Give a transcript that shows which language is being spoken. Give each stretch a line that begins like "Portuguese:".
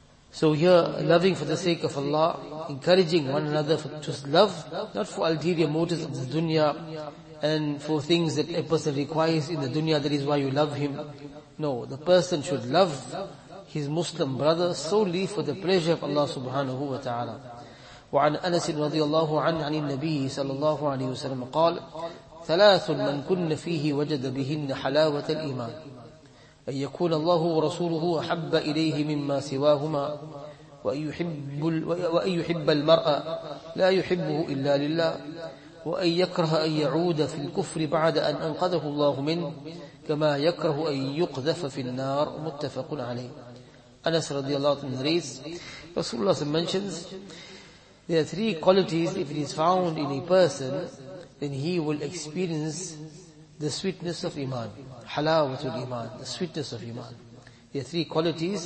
English: So here, loving for the sake of Allah, encouraging one another to love, not for ulterior motives of the dunya and for things that a person requires in the dunya, that is why you love him. No, the person should love his Muslim brother solely for the pleasure of Allah subhanahu wa ta'ala.
Arabic: وعن أنس رضي الله عنه عن النبي صلى الله عليه وسلم قال ثلاث من كن فيه وجد بهن حلاوة الإيمان أن يكون الله ورسوله أحب إليه مما سواهما وأن يحب المرأة لا يحبه إلا لله وأن يكره أن يعود في الكفر بعد أن أنقذه الله منه كما يكره أن يقذف في النار. متفق عليه.
English: أنس رضي الله عنه narrates, رسول الله mentions there are three qualities, if it is found in a person then he will experience the sweetness of Iman. Halawatul Iman, the sweetness of Iman. There are three qualities.